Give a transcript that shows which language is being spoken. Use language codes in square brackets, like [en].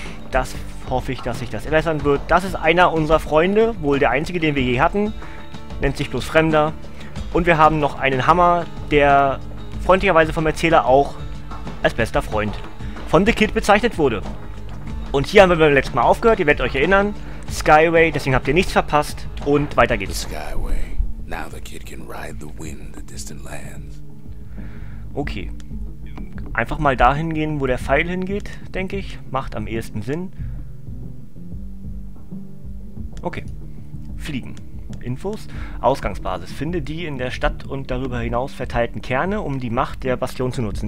[de] Das hoffe ich, dass sich das erbessern wird. Das ist einer unserer Freunde, wohl der einzige, den wir je hatten. Nennt sich bloß Fremder. Und wir haben noch einen Hammer, der freundlicherweise vom Erzähler auch als bester Freund von The Kid bezeichnet wurde. Und hier haben wir beim letzten Mal aufgehört, ihr werdet euch erinnern. Skyway, deswegen habt ihr nichts verpasst. Und weiter geht's. The Skyway. [en] Now the kid can ride the wind, the distant lands. Okay. [de] Einfach mal dahin gehen, wo der Pfeil hingeht, denke ich. Macht am ehesten Sinn. Okay. Fliegen. Infos. Ausgangsbasis. Finde die in der Stadt und darüber hinaus verteilten Kerne, um die Macht der Bastion zu nutzen.